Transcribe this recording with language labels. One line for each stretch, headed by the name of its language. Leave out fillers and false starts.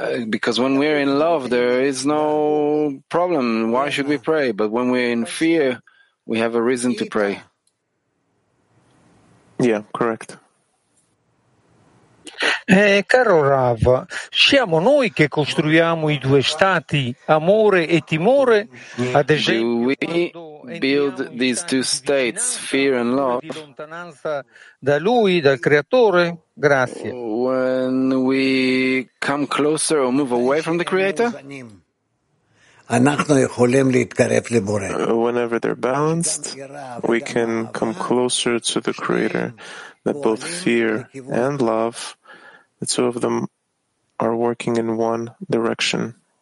English: Because when we're in love, there is no problem. Why should we pray? But when we're in fear, we have a reason to pray. Yeah, correct.
Italian: Caro Rav, siamo noi che costruiamo i due stati, amore e timore, ad esempio.
English: Do we build these two states, fear and love?
Italian: Lontananza da lui, dal creatore. Grazie.
English: When we come closer or move away from the creator? Whenever they're balanced, we can come closer to the Creator, that both fear and love, the two of them are working in one direction.